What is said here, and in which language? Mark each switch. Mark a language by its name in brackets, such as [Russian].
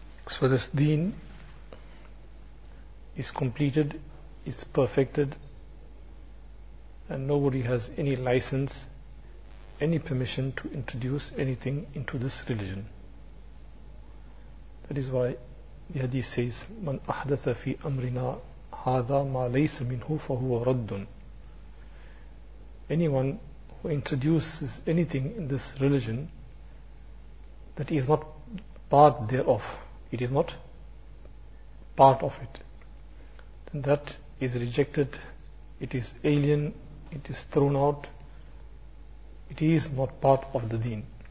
[English] So this deen is completed, is perfected, and nobody has any license, any permission to introduce anything into this religion. That is why the hadith says, [Arabic] مَنْ أَحْدَثَ فِي أَمْرِنَا هَذَا مَا لَيْسَ مِنْهُ فَهُوَ رَدٌّ. [English] Anyone who introduces anything in this religion that is not part thereof, it is not part of it, then that is rejected, it is alien, it is thrown out, it is not part of the deen.